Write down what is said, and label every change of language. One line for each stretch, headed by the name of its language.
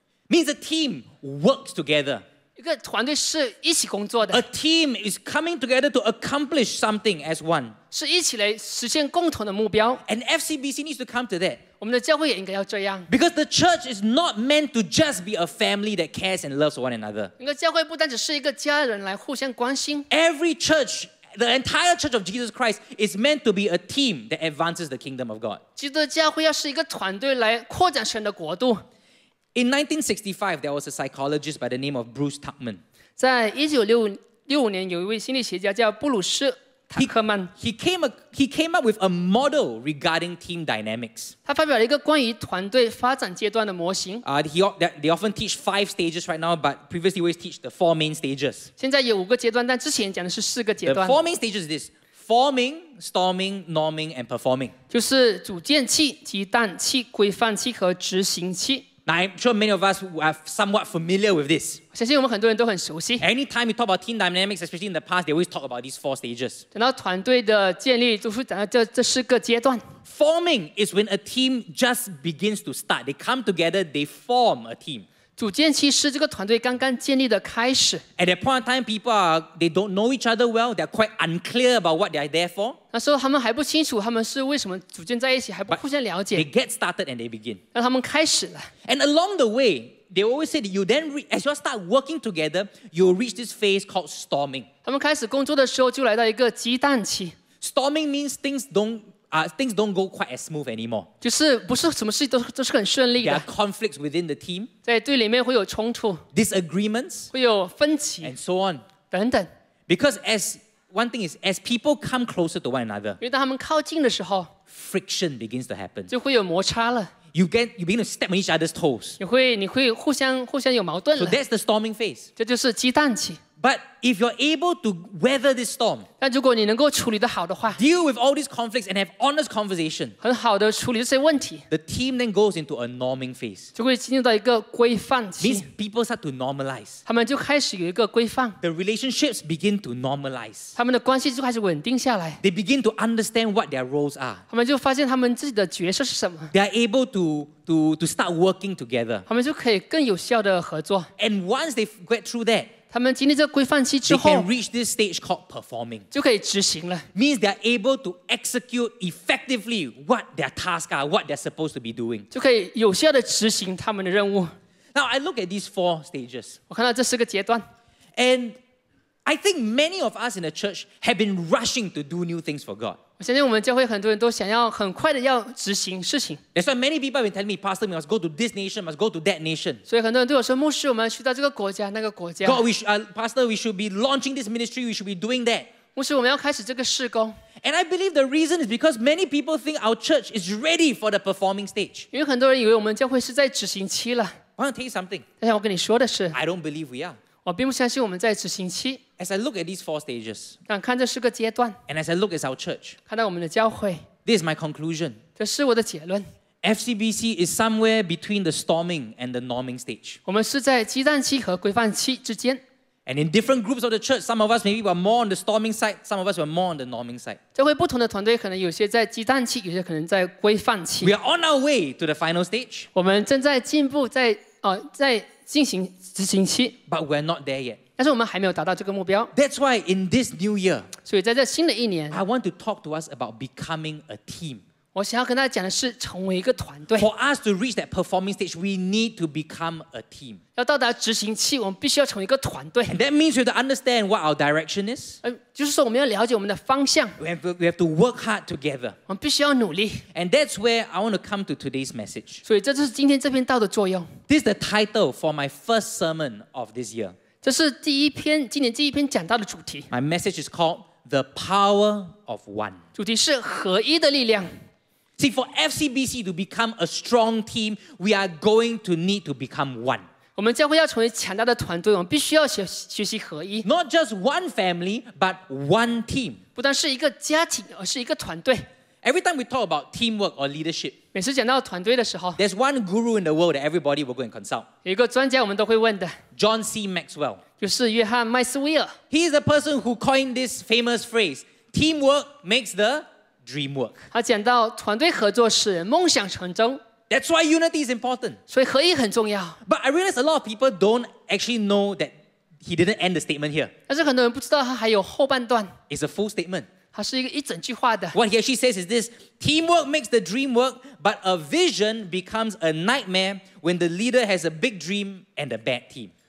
English: Means a team works together.
Chinese: 一个团队是一起工作的。
English: A team is coming together to accomplish something as one.
Chinese: 是一起来实现共同的目标。
English: And FCBC needs to come to that.
Chinese: 我们的教会也应该要这样。
English: Because the church is not meant to just be a family that cares and loves one another.
Chinese: 一个教会不单只是一个家人来互相关心。
English: Every churchThe entire Church of Jesus Christ is meant to be a team that advances the kingdom of God.
Chinese: 基督教会要是一个团队来扩展神的国度。
English: In 1965, there was a psychologist by the name of Bruce Tuckman.
Chinese: 在1965年，有一位心理学家叫布鲁斯·塔克曼。
English: He came up with a model regarding team dynamics.
Chinese: 他发表了一个关于团队发展阶段的模型。
English: They often teach 5 stages right now, but previously always teach the 4 main stages.
Chinese: 现在有五个阶段，但之前讲的是四个阶段。
English: The 4 main stages is this: forming, storming, norming, and performing.
Chinese: 就是组建期、激荡期、规范期和执行期。
English: Now, I'm sure many of us are somewhat familiar with this.
Chinese: 相信我们很多人都很熟悉。
English: Anytime you talk about team dynamics, especially in the past, they always talk about these 4 stages.
Chinese: 等到团队的建立，就是讲到这四个阶段。
English: Forming is when a team just begins to start. They come together, they form a team.
Chinese: 组建期是这个团队刚刚建立的开始。
English: At that point in time, they don't know each other well. They're quite unclear about what they're there for.
Chinese: 那时候他们还不清楚他们是为什么组建在一起，还不互相了解。
English: But、they get started and they begin.
Chinese: 那他们开始了。
English: And along the way, they always say that as you start working together, you'll reach this phase called storming.
Chinese: 他们开始工作的时候就来到一个激荡期。
English: Storming means things don't go quite as smooth anymore.
Chinese: 就是不是什么事都是很顺利的。
English: There are conflicts within the team.
Chinese: 在队里面会有冲突。
English: Disagreements.
Chinese: 会有分歧。
English: And so on.
Chinese: 等等。
English: Because as people come closer to one another.
Chinese: 因为当他们靠近的时候。
English: Friction begins to happen.
Chinese: 就会有摩擦了。
English: You begin to step on each other's toes.
Chinese: 你会互相有矛盾了。
English: So that's the storming phase.
Chinese: 这就是激荡期。
English: But if you're able to weather this storm,
Chinese: 但如果你能够处理得好的话，
English: deal with all these conflicts and have honest conversation,
Chinese: 很好的处理这些问题，
English: the team then goes into a norming phase.
Chinese: 就会进入到一个规范期。
English: These people start to normalize.
Chinese: 他们就开始有一个规范。
English: The relationships begin to normalize.
Chinese: 他们的关系就开始稳定下来。
English: They begin to understand what their roles are.
Chinese: 他们就发现他们自己的角色是什么。
English: They are able to start working together.
Chinese: 他们就可以更有效的合作。
English: And once they get through that,
Chinese: 他们经历这个规范期之后
English: they can reach this stage called performing.
Chinese: 就可以执行了。
English: Means they are able to execute effectively what their tasks are, what they're supposed to be doing.
Chinese: 就可以有效地执行他们的任务。
English: Now I look at these 4 stages.
Chinese: 我看到这四个阶段。
English: And I think many of us in the church have been rushing to do new things for God.
Chinese: 我相信我们教会很多人都想要很快地要执行事情。
English: That's why many people have been telling me, Pastor, we must go to this nation, must go to that nation.
Chinese: 所以很多人对我说，牧师，我们去到这个国家，那个国家。
English: God, Pastor, we should be launching this ministry, we should be doing that.
Chinese: 牧师，我们要开始这个事工。
English: And I believe the reason is because many people think our church is ready for the performing stage.
Chinese: 因为很多人以为我们教会是在执行期了。
English: I want to tell you something.
Chinese: 但是我跟你说的是
English: I don't believe we are.
Chinese: 我并不相信我们在执行期。
English: As I look at these 4 stages,
Chinese: 看这四个阶段。
English: And as I look at our church,
Chinese: 看到我们的教会。
English: This is my conclusion.
Chinese: 这是我的结论。
English: FCBC is somewhere between the storming and the norming stage.
Chinese: 我们是在激荡期和规范期之间。
English: And in different groups of the church, some of us maybe were more on the storming side, some of us were more on the norming side.
Chinese: 教会不同的团队可能有些在激荡期，有些可能在规范期。
English: We are on our way to the final stage.
Chinese: 我们正在进步，在进行执行期。
English: But we're not there yet.
Chinese: 但是我们还没有达到这个目标。
English: That's why in this new year,
Chinese: 所以在这新的一年，
English: I want to talk to us about becoming a team.
Chinese: 我想要跟大家讲的是成为一个团队。
English: For us to reach that performing stage, we need to become a team.
Chinese: 要到达执行期，我们必须要成为一个团队。
English: And that means we have to understand what our direction is.
Chinese: 就是说我们要了解我们的方向。
English: We have to work hard together.
Chinese: 我们必须要努力。
English: And that's where I want to come to today's message.
Chinese: 所以这就是今天这篇道的作用。
English: This is the title for my first sermon of this year.
Chinese: 这是第一篇，今年第一篇讲到的主题。
English: My message is called The Power of One.
Chinese: 主题是合一的力量。
English: See, for FCBC to become a strong team, we are going to need to become one.
Chinese: 我们教会要成为强大的团队，我们必须要学习合一。
English: Not just one family, but one team.
Chinese: 不单是一个家庭，而是一个团队。
English: Every time we talk about teamwork or leadership,
Chinese: 每次讲到团队的时候，
English: there's one guru in the world that everybody will go and consult.
Chinese: 有一个专家我们都会问的，
English: John C. Maxwell.
Chinese: 就是约翰麦斯威尔。
English: He is the person who coined this famous phrase, teamwork makes the dream work.
Chinese: 他讲到团队合作使人梦想成真。
English: That's why unity is important.
Chinese: 所以合一很重要。
English: But I realize a lot of people don't actually know that he didn't end the statement here.
Chinese: 但是很多人不知道他还有后半段。
English: It's a full statement.
Chinese: 它是一个一整句话的。
English: What he actually says is this: teamwork makes the dream work, but a vision becomes a nightmare when the leader has a big dream and a bad team.